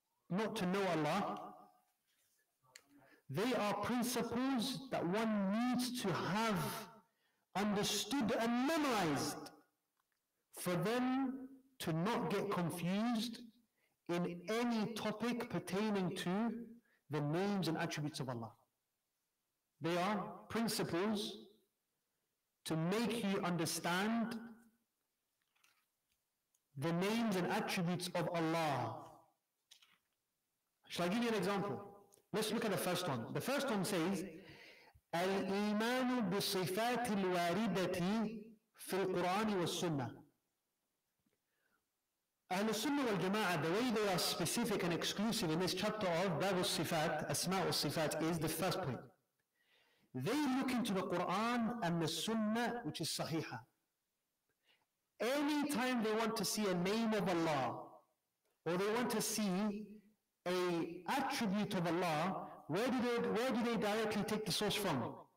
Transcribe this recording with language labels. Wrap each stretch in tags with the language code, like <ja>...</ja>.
<en>Not to know Allah. They are principles that one needs to have understood and memorized for them to not get confused in any topic pertaining to the names and attributes of Allah. They are principles to make you understand the names and attributes of Allah. Shall I give you an example? Let's look at the first one. The first one says,</en> <ar>الإيمان بصفات الواردة في القرآن والسنة.</ar> <en>Ahl al-Sunnah wal-Jama'ah, the way they are specific and exclusive in this chapter of Bab al-Sifat, Asma' al-Sifat, is the first point. They look into the Qur'an and the Sunnah, which is Sahiha. Anytime they want to see a name of Allah, or they want to see a attribute of Allah, where do they directly take the source from?</en>